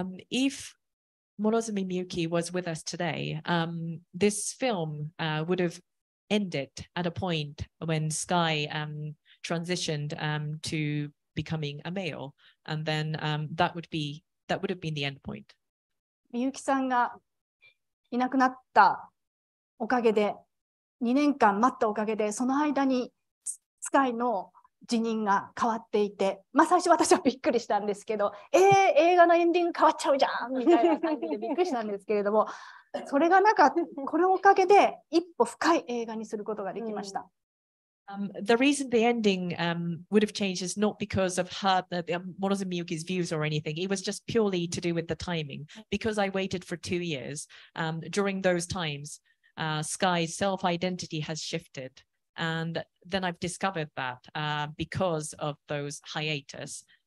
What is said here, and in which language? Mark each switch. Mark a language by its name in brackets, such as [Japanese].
[English] If Morozumi Miyuki was with us today, this film would haveended at a point when Sky transitioned to becoming a male, and then that would have been the end point. [Japanese] Miyuki さんがいなくなったおかげで、2年間待ったおかげで、その間に Sky の辞任が変わっていて、まあ、最初私はびっくりしたんですけど、映画のエンディング変わっちゃうじゃんみたいな感じでびっくりしたんですけれども、それがなんかこれをおかげで一歩深い映画にすることができました。 [English] The reason the ending would have changed is not because of her, Morozumi Miyuki's views or anything. It was just purely to do with the timing. Because I waited for 2 years, during those times, Sky's self-identity has shifted. And then I've discovered that because of those hiatus.